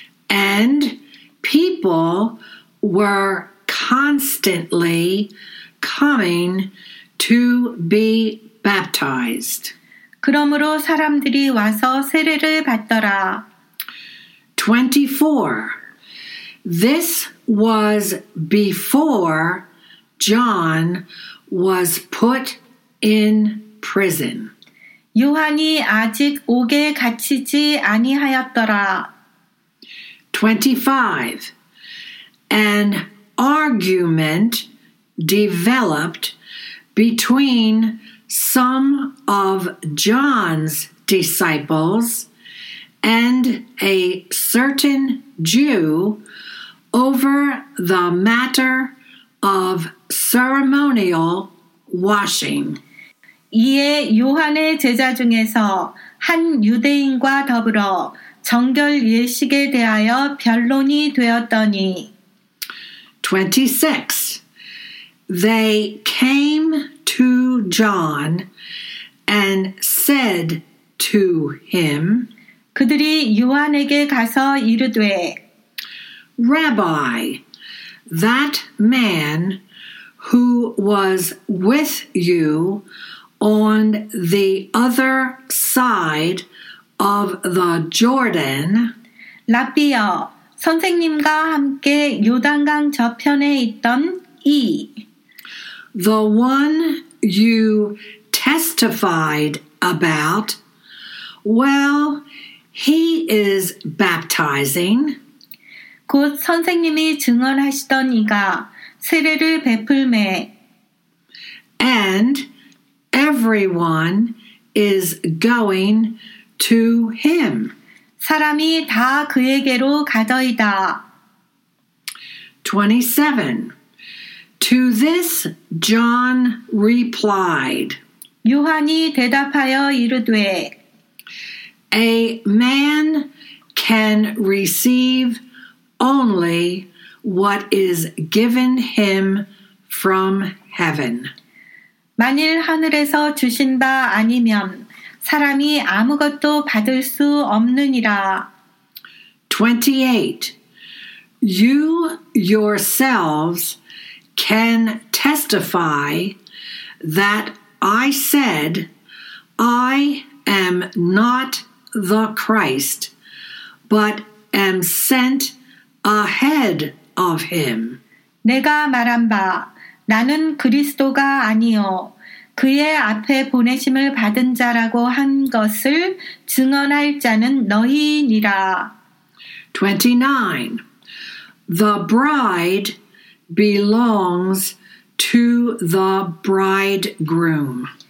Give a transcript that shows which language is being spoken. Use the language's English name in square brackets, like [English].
[English] and people were constantly coming to be baptized. [Korean] 그러므로 사람들이 와서 세례를 받더라. [English] 24. This was before John was put in prison. [Korean] 요한이 아직 옥에 갇히지 아니하였더라. [English] 25. An argument developed between some of John's disciples and a certain Jew over the matter of ceremonial washing. [Korean] 이에 요한의 제자 중에서 한 유대인과 더불어 정결 예식에 대하여 변론이 되었더니, [English] 26. They came to John and said to him, [Korean] 그들이 요한에게 가서 이르되, [English] Rabbi, that man who was with you on the other side of the Jordan, [Korean] 라비여, 선생님과 함께 요단강 저편에 있던 이, [English] the one you testified about, well, he is baptizing. [Korean] 곧 선생님이 증언하시던 이가 세례를 베풀매, [English] and everyone is going to him. [Korean] 사람이 다 그에게로 가더이다. [English] 27. To this John replied, [Korean] 요한이 대답하여 이르되, [English] A man can receive only what is given him from heaven. [Korean] 만일 하늘에서 주신 바 아니면 사람이 아무것도 받을 수 없느니라. [English] 28. You yourselves can testify that I said, I am not the Christ, but am sent ahead of him. [Korean] 내가 말한 바, 나는 그리스도가 아니요 그의 앞에 보내심을 받은 자라고 한 것을 증언할 자는 너희니라. [English] 29. The bride belongs to the bridegroom.